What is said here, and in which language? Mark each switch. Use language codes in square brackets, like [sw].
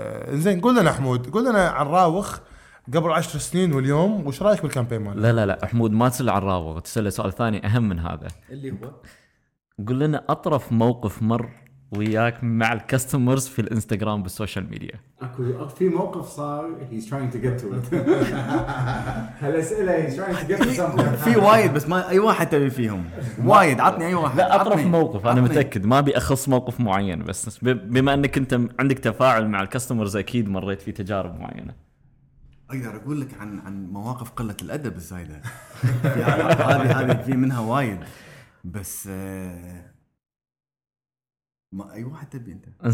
[ar] زين قلنا حمود قلنا عن راوخ قبل 10 سنين واليوم وش رايك بالكامبين مال؟ لا لا لا حمود ما تسأل عن راوخ، تسأل سؤال ثاني أهم من هذا اللي هو قل لنا أطرف موقف مر وياك مع الكاستمرز في الانستغرام بالسوشيال ميديا. اكو في موقف صار [en] he's trying to get to it. [ar] هل اسئله [en] he's trying to get to something. [ar] في وايد بس ما اي واحد تبي فيهم وايد عطني اي واحد. لا اطرف موقف انا متاكد ما بيأخص موقف معين بس بما انك انت عندك تفاعل مع الكاستمرز اكيد مريت في تجارب معينه. اقدر اقول لك عن مواقف قله الادب الزايده. هذه في منها وايد بس ما اي واحد تبي انت